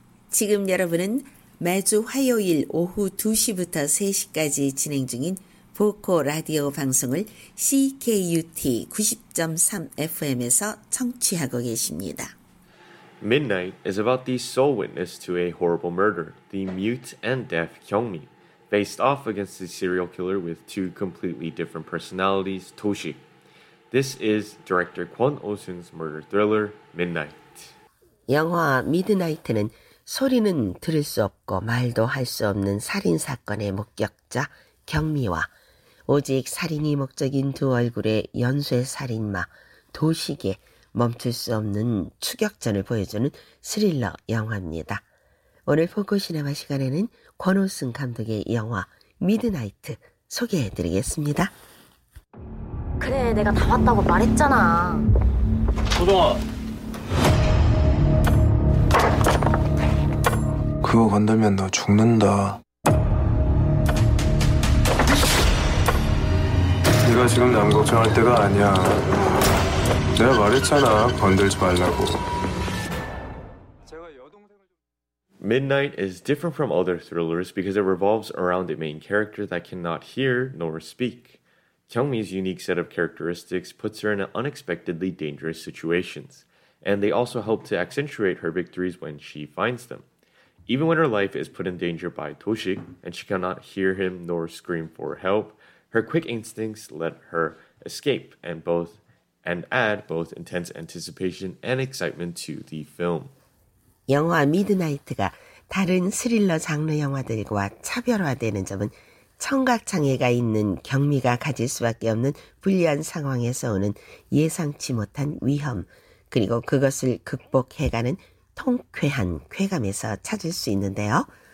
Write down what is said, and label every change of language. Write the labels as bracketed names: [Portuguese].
[Korean] 지금 여러분은 매주 화요일 오후 2시부터 3시까지 진행 중인 보코 라디오 방송을 CKUT 90.3 FM에서 청취하고 계십니다. [English] Midnight is about the sole witness to a horrible murder, the mute and deaf Kyungmi. Based off against a serial killer with two completely different personalities, Toshi. This is director Kwon Oh-sun's murder thriller, Midnight. [Korean] 영화 Midnight는 소리는 들을 수 없고 말도 할 수 없는 살인 사건의 목격자 경미와 오직 살인이 목적인 두 얼굴의 연쇄 살인마 도식의 멈출 수 없는 추격전을 보여주는 스릴러 영화입니다. 오늘 포커 시네마 시간에는 권오승 감독의 영화 미드나이트 소개해드리겠습니다. 그래, 내가 다 왔다고 말했잖아. 고동아. 그거 건들면 너 죽는다. 네가 지금 남 걱정할 때가 아니야. 내가 말했잖아, 건들지 말라고. [English] Midnight is different from other thrillers because it revolves around a main character that cannot hear nor speak. Kyungmi's unique set of characteristics puts her in unexpectedly dangerous situations, and they also help to accentuate her victories when she finds them. Even when her life is put in danger by Do-sik and she cannot hear him nor scream for help, her quick instincts let her escape and add both intense anticipation and excitement to the film. [Korean] 영화 미드나이트가 다른 스릴러 장르 영화들과 차별화되는 점은 청각장애가 있는 경미가 가질 수밖에 없는 불리한 상황에서 오는 예상치 못한 위험, 그리고 그것을 극복해가는 통쾌한 쾌감에서 찾을 수 있는데요.